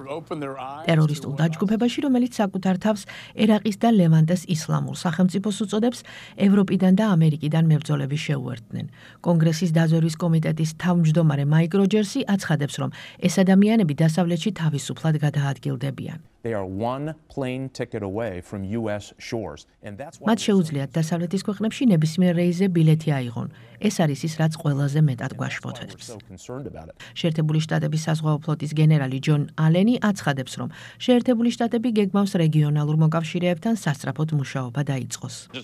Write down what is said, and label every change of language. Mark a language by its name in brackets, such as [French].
[Georgian] ტერორისტულ დაჯგუფებაში, რომელიც საკუთარ თავს ერაყის და ლევანტეს ისლამურ სახელმწიფოს უწოდებს, ევროპიდან და ამერიკიდან მებრძოლები შეუერთდნენ. კონგრესის დაზვერვის კომიტეტის თავმჯდომარე მაიკ როჯერსი აცხადებს, რომ ეს ადამიანები დასავლეთში თავისუფლად გადაადგილდებიან. [English] They are one plane ticket away from US shores and that's why [Georgian] მათ შეუძლიათ დასავლეთის ქვეყნებში ნებისმიერ რეისზე ბილეთი აიღონ. ეს არის ის, რაც ყველაზე მეტად გვაშფოთვებს. შეერთებული შტატების საზღვაო ფლოტის გენერალი ჯონ ალენი აცხადებს, რომ შეერთებული შტატები გეგმავს რეგიონალურ მოკავშირეებთან სასწრაფოდ მუშაობა დაიწყოს.